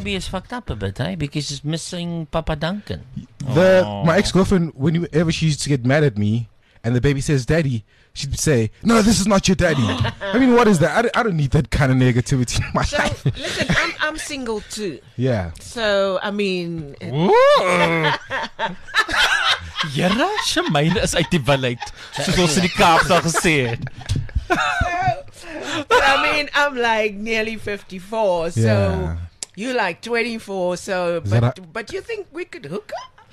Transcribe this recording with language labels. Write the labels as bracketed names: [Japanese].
[English] Baby is fucked up a bit, eh? Because it's missing Papa Duncan. My ex-girlfriend, whenever she used to get mad at me, and the baby says, "Daddy," she'd say, "No, this is not your daddy." I mean, what is that? I don't need that kind of negativity in my life. Listen, I'm single too. Yeah. So, I mean... [Afrikaans] Jere, Shemaine is uit die billet, soos ons in die Kaap al gesê het. [English] But I mean, I'm like nearly 54, so you like 24, so... But you think we could hook up?